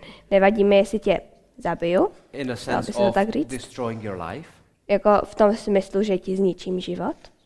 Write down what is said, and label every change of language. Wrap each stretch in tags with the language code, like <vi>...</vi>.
<cs>Nevadí mi, jestli tě zabiju.</cs> <en>In a sense of destroying your life.</en> <cs>Jako v tom smyslu, že ti zničím život.</cs>